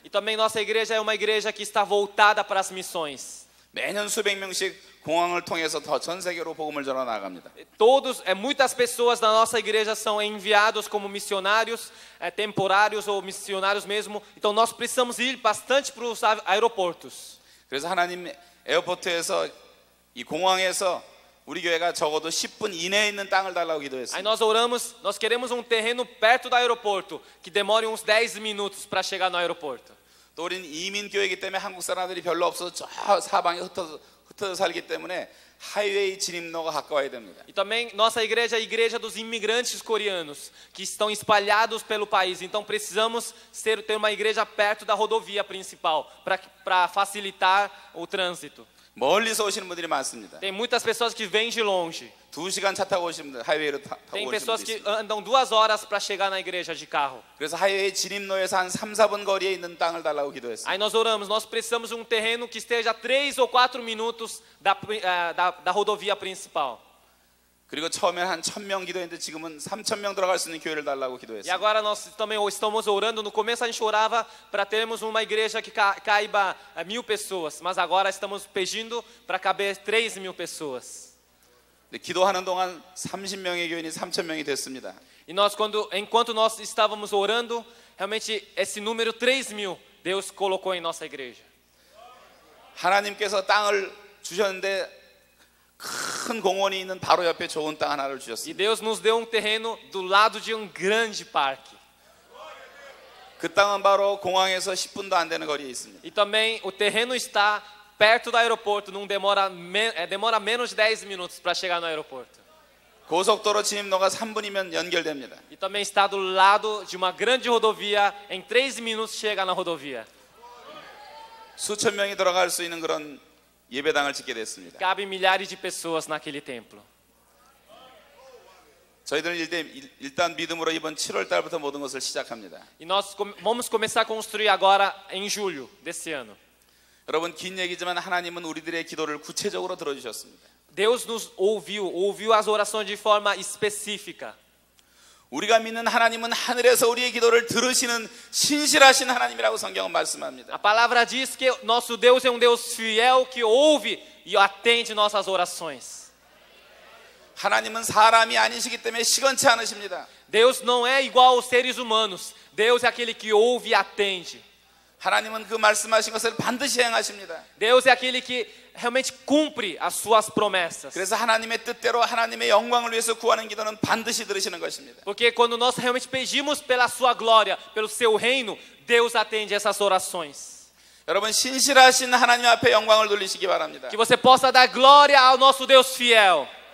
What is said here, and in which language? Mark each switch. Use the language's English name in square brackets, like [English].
[Portuguese] E também nossa igreja é uma igreja que está voltada para as missões. [Korean] 매년 수백 명씩 공항을 통해서 더 전 세계로 복음을 전하 나갑니다. [Portuguese] Todos, muitas pessoas da nossa igreja são enviados como missionários, temporários ou missionários mesmo. Então nós precisamos ir bastante para os aeroportos. [Korean] 그래서 하나님 에어포트에서 이 공항에서 우리 교회가 적어도 10분 이내에 있는 땅을 달라고 기도했어요. [Portuguese] Nós oramos, nós queremos um terreno perto do aeroporto que demore uns 10 minutos para chegar no aeroporto. [Korean] 또 우리는 이민 교회이기 때문에 한국 사람들이 별로 없어서 저 사방에 흩어져 살기 때문에 하이웨이 진입로가 가까워야 됩니다. [Portuguese] E também nossa igreja é a igreja dos imigrantes coreanos que estão espalhados pelo país. Então precisamos ter uma igreja perto da rodovia principal para facilitar o trânsito. [Korean] 멀리서 오시는 분들이 많습니다. [Portuguese] Tem muitas pessoas que vêm de longe. [Korean] 2시간 차 타고 오십니다. 하이웨이로 타고 오십니다. [Portuguese] Tem pessoas que andam 2 horas para chegar na igreja de carro. [Korean] 그래서 하이웨이 진입로에서 한 3-4분 거리에 있는 땅을 달라고 기도했어요. [Portuguese] Aí nós oramos, nós precisamos um terreno que esteja 3 ou 4 minutos da rodovia principal. [Korean] 그리고 처음에 한 1,000명 기도했는데 지금은 3,000명 들어갈 수 있는 교회를 달라고 기도했어요. [Portuguese] E agora nós também estamos orando. No começo a gente orava para termos uma igreja que caiba 1,000 pessoas, mas agora estamos pedindo para caber 3,000 pessoas. [Korean] 기도하는 동안 30명의 교인이 3,000명이 됐습니다. [Portuguese] E nós enquanto nós estávamos orando, realmente esse número 3,000 Deus colocou em nossa igreja. [Korean] 하나님께서 땅을 주셨는데 큰 공원이 있는 바로 옆에 좋은 땅 하나를 주셨습니다. [Portuguese] E Deus nos deu um terreno do lado de um grande parque. [Korean] 그 땅은 바로 공항에서 10분도 안 되는 거리에 있습니다. [Portuguese] E também o terreno está perto do aeroporto, não demora menos de 10 minutos para chegar no aeroporto. [Korean] 고속도로 지금 너가 3분이면 연결됩니다. [Portuguese] E também está do lado de uma grande rodovia, em 3 minutos chega na rodovia. [Korean] 수천 명이 들어갈 수 있는 그런 예배당을 짓게 됐습니다. [Portuguese] Cabe milhares de pessoas naquele templo. [Korean] 저희들은 일단 믿음으로 이번 7월 달부터 모든 것을 시작합니다. [Portuguese] E nós vamos começar a construir agora em julho desse ano. [Korean] 여러분 긴 얘기지만 하나님은 우리들의 기도를 구체적으로 들어주셨습니다. [Portuguese] Deus nos ouviu as orações de forma específica. [Korean] 우리가 믿는 하나님은 하늘에서 우리의 기도를 들으시는 신실하신 하나님이라고 성경은 말씀합니다. [Portuguese] A palavra diz que nosso Deus é um Deus fiel que ouve e atende nossas orações. [Korean] 하나님은 사람이 아니시기 때문에 시건치 않으십니다. [Portuguese] Deus não é igual aos seres humanos. Deus é aquele que ouve e atende. [Korean] 하나님은 그 말씀하신 것을 반드시 행하십니다. [Portuguese] Deus é aquele que realmente cumpre as suas promessas. [Korean] 그래서 하나님의 뜻대로 하나님의 영광을 위해서 구하는 기도는 반드시 들으시는 것입니다. [Portuguese] Porque quando nós realmente pedimos pela sua glória, pelo seu reino, Deus atende essas orações. [Korean] 여러분 신실하신 하나님 앞에 영광을 돌리시기 바랍니다. [Portuguese] Que você possa dar glória ao nosso Deus fiel.